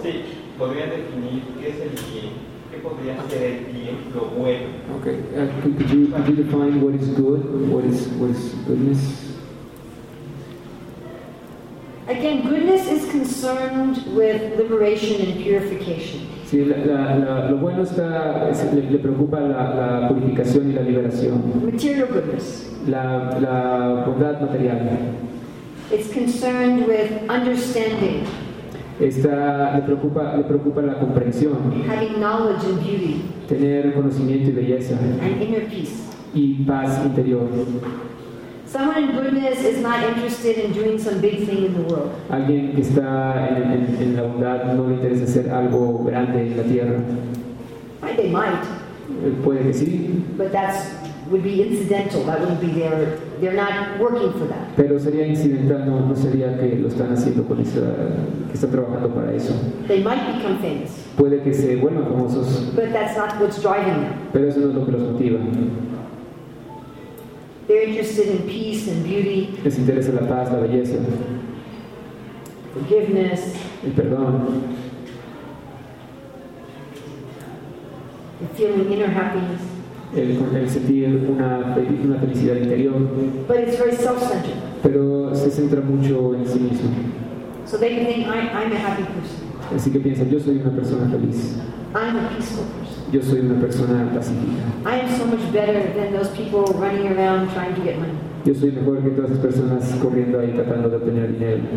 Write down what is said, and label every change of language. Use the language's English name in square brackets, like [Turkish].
[Spanish] Sí, podría definir qué es el bien, qué podría ser el bien, lo bueno. [English] Okay, could you define what is good, what is goodness? Again, goodness is concerned with liberation and purification. [Spanish] Sí, lo bueno está, le preocupa la purificación y la liberación. [English] Material goodness. [Spanish] La bondad material. [English] It's concerned with understanding. [Spanish] Le preocupa la comprensión, [English] having knowledge and beauty, [Spanish] tener conocimiento y belleza, [English] and inner peace, [Spanish] y paz interior. [English] Someone in goodness is not interested in doing some big thing in the world. [Spanish] Alguien que está en la bondad no le interesa hacer algo grande en la tierra. [English] Why, they might. [Spanish] Puede que sí. [English] But that would be incidental. That wouldn't be their. They're not working for that. [Spanish] Pero sería incidental, no sería que lo están haciendo con eso, que están trabajando para eso. [English] They might become famous. [Spanish] Puede que se vuelvan famosos. [English] But that's not what's driving them. [Spanish] Pero eso no es lo que los motiva. [English] They're interested in peace and beauty. [Spanish] Les interesa la paz, la belleza. [English] Forgiveness. [Spanish] El perdón. [English] And feeling inner happiness. [Spanish] El sentir una felicidad interior. [English] But it's very self-centered. [Spanish] Pero se centra mucho en sí mismo. [English] So they think I'm a happy person. [Spanish] Así que piensan, yo soy una persona feliz. [English] I'm a peaceful person. [Spanish] Yo soy una persona pacífica. [English] I am so much better than those people running around trying to get money. [Spanish] Yo soy mejor que todas esas personas corriendo ahí tratando de obtener dinero.